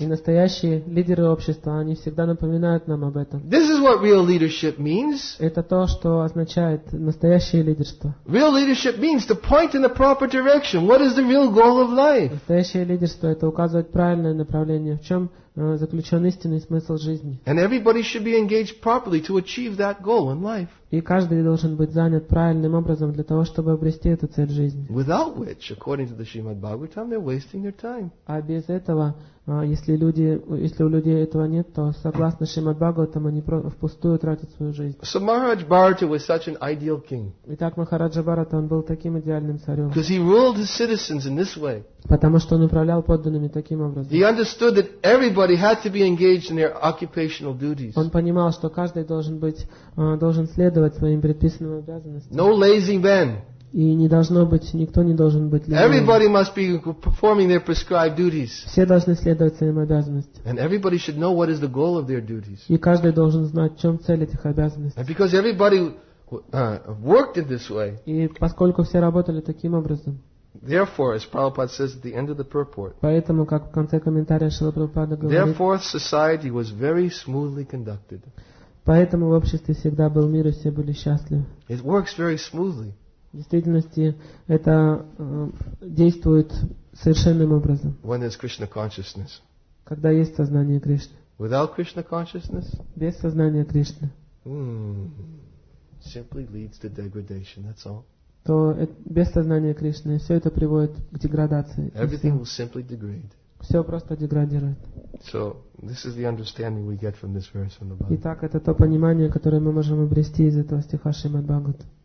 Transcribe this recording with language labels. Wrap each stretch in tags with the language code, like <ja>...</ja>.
<ru>И настоящие лидеры общества, они всегда напоминают нам об этом.</ru> <en>This is what real leadership means.</en> <ru>Это то, что означает настоящее лидерство.</ru> <en>Real leadership means to point in the proper direction. What is the real goal of life?</en> <ru>Настоящее лидерство — это указывать правильное направление. В чем заключен истинный смысл жизни.</ru> <en>And everybody should be engaged properly to achieve that goal in life.</en> <ru>И каждый должен быть занят правильным образом для того, чтобы обрести эту цель жизни.</ru> <en>Without which, according to the Srimad Bhagavatam, they're wasting their time.</en> <ru>А без этого, если у людей этого нет, то согласно Шримад Бхагаватам, они впустую тратят свою жизнь.</ru> <en>So Maharaj Bharata was such an ideal king.</en> <ru>Итак, Махараджа Бхарата, он был таким идеальным царем.</ru> <en>Because he ruled his citizens in this way.</en> <ru>Потому что он управлял подданными таким образом.</ru> <en>He understood that everybody had to be engaged in their occupational duties.</en> <ru>Он понимал, что каждый должен следовать своим предписанным обязанностям.</ru> <en>No lazy man.</en> <ru>И не должно быть, никто не должен быть ленивым.</ru> <en>Everybody must be performing their prescribed duties.</en> <ru>Все должны следовать своим обязанностям.</ru> <en>And everybody should know what is the goal of their duties.</en> <ru>И каждый должен знать, в чем цель этих обязанностей.</ru> <en>And because everybody worked in this way.</en> <ru>И поскольку все работали таким образом.</ru> <en>Therefore, as Prabhupada says at the end of the purport.</en> <ru>Поэтому, как в конце комментария Шрила Прабхупада говорит.</ru> <en>Therefore, society was very smoothly conducted.</en> <ru>Поэтому в обществе всегда был мир и все были счастливы.</ru> <en>It works very smoothly.</en> <ru>В действительности это действует совершенным образом.</ru> <en>When is Krishna consciousness?</en> <ru>Когда есть сознание Кришны.</ru> <en>Without Krishna consciousness?</en> <ru>Без сознания Кришны.</ru> <en>Simply leads to degradation. That's all.</en> <ru>То без сознания Кришны все это приводит к деградации.</ru> <en>Everything will simply degrade.</en> <ru>Все просто деградирует.</ru> <en>So this is the understanding we get from this verse from the Bhagavad.</en> <ru>Итак, это то понимание, которое мы можем обрести из этого стиха Шримад Бхагавад.</ru>